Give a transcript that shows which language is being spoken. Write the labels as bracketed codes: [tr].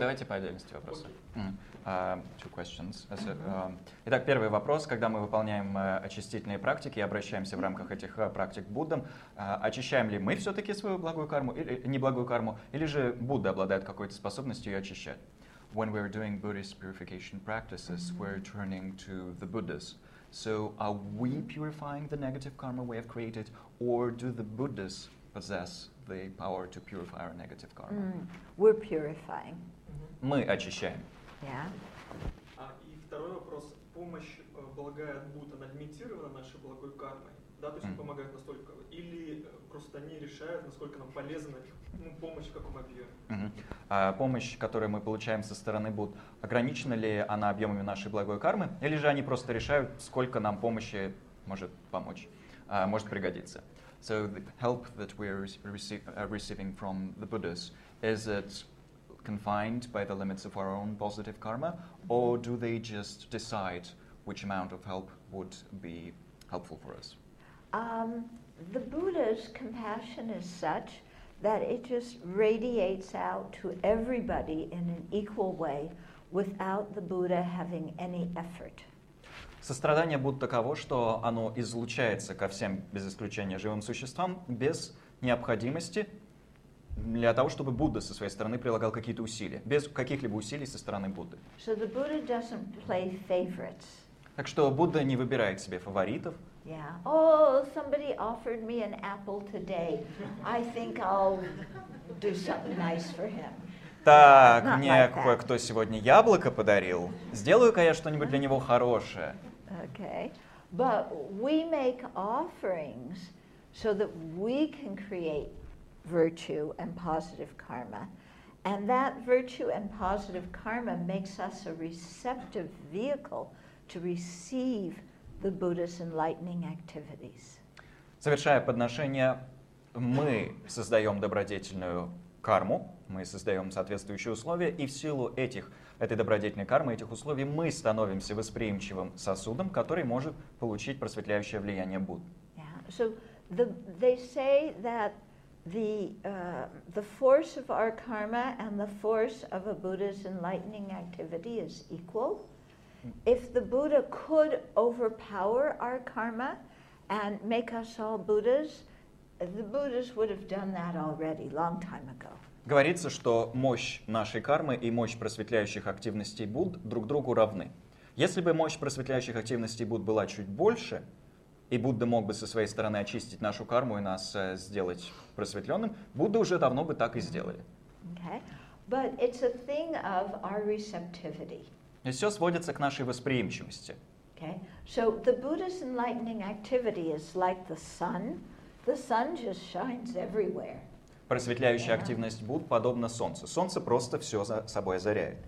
[ru] Давайте по отдельности вопросы. [en] Two questions. [ru] Итак, первый вопрос. Когда мы выполняем очистительные практики и обращаемся в рамках этих практик к Буддам, очищаем ли мы все-таки свою благую карму или неблагую карму, или же Будда обладает какой-то способностью ее очищать? [en] When we're doing Buddhist purification practices, we're turning to the Buddhas. So are we purifying the negative karma we have created, or do the Buddhas possess the power to purify our negative karma? We're purifying. [ru] Мы очищаем. [en] Yeah. [ru] И второй вопрос. Помощь благая от Будды, она лимитирована нашей благой кармой? Да, то есть она помогает настолько? Или просто они решают, насколько нам полезна помощь, в каком объеме? Помощь, которую мы получаем со стороны Будд, ограничена ли она объемами нашей благой кармы? Или же они просто решают, сколько нам помощи может помочь, может пригодиться? [en] So the help that we are receiving from the Buddhas, is it confined by the limits of our own positive karma, or do they just decide which amount of help would be helpful for us? The Buddha's compassion is such that it just radiates out to everybody in an equal way without the Buddha having any effort. [ru] Сострадание Будды таково, что оно излучается ко всем, без исключения живым существам, без необходимости для того, чтобы Будда со своей стороны прилагал какие-то усилия, без каких-либо усилий со стороны Будды. [en] So the Buddha doesn't play favorites. [ru] Так что Будда не выбирает себе фаворитов. [en] Yeah. Oh, somebody offered me an apple today. I think I'll do something nice for him. [ru] Так, [en] not [ru] мне [en] like [ru] кое-кто [en] that. [ru] Сегодня яблоко подарил. Сделаю-ка я что-нибудь для него хорошее. [en] Okay. But we make offerings so that we can create virtue and positive karma. And that virtue and positive karma makes us a receptive vehicle to receive the Buddha's enlightening activities. [ru] Совершая подношение, мы создаем добродетельную карму, мы создаем соответствующие условия, и в силу этих, этой добродетельной кармы, этих условий, мы становимся восприимчивым сосудом, который может получить просветляющее влияние Будды. [en] Yeah. So they say that the force of our karma and the force of a Buddha's enlightening activity is equal. If the Buddha could overpower our karma and make us all Buddhas, the Buddhas would have done that already long time ago. [ru] Говорится, что мощь нашей кармы и мощь просветляющих активностей Будд друг другу равны. Если бы мощь просветляющих активностей Будд была чуть больше, и Будда мог бы со своей стороны очистить нашу карму и нас сделать просветленным, Будда уже давно бы так и сделали. [en] Okay. But it's a thing of our receptivity. [ru] И все сводится к нашей восприимчивости. [en] Okay. So the Buddha's enlightening activity is like the sun. The sun just shines everywhere. [ru] Просветляющая [en] yeah. [ru] активность Будд подобна солнцу. Солнце просто все за собой озаряет.